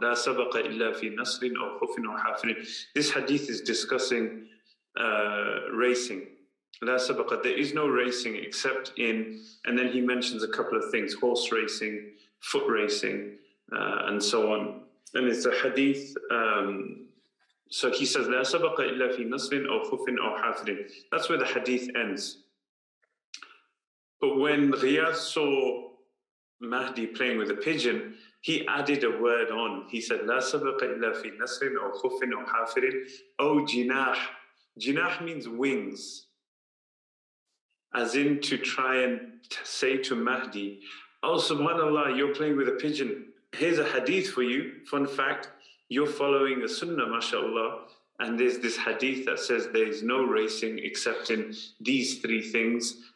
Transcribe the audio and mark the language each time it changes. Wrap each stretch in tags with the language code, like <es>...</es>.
<ar>لا سبق إلا في نصل أو خف أو حافر.</ar> <en>This hadith is discussing racing.</en> <ar>لا سبق,</ar> <en>there is no racing except in, and then he mentions a couple of things, horse racing, foot racing, and so on. And it's a hadith. So he says,</en> <ar>لا سبق إلا في نصل أو خف أو حافر.</ar> <en>That's where the hadith ends. But when Ghiyath saw Mahdi playing with a pigeon, he added a word on. He said,</en> <ar>لا سبق إلا في نصل أو خف أو حافر أو جناح.</ar> <en>Jinah means wings, as in to try and say to Mahdi, oh, subhanAllah, you're playing with a pigeon. Here's a hadith for you. Fun fact, you're following a sunnah, mashallah, and there's this hadith that says there's no racing except in these three things.</en>